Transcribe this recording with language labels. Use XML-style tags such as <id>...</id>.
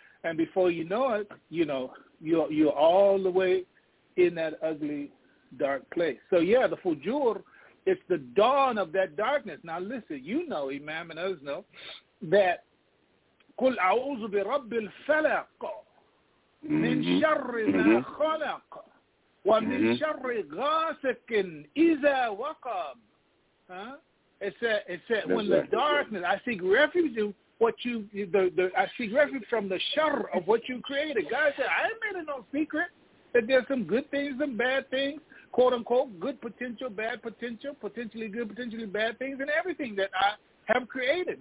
<en>And before you know it, you know, you're all the way in that ugly, dark place. So, yeah, the fujur. It's the dawn of that darkness. Now, listen, you know, Imam and others know, that</en> <ar>قُلْ أَعُوذُ بِرَبِّ الْفَلَقَ مِنْ شَرِّ مَا خَلَقَ وَمِنْ شَرِّ غَاسِقٍ إِذَا وَقَبَ.</ar> <en>It said, when the darkness, I seek refuge in what you, I seek refuge from the shar of what you created. God said, I ain't made it no secret that there's some good things, some bad things. Quote unquote, good potential, bad potential, potentially good, potentially bad things, and everything that I have created.</en>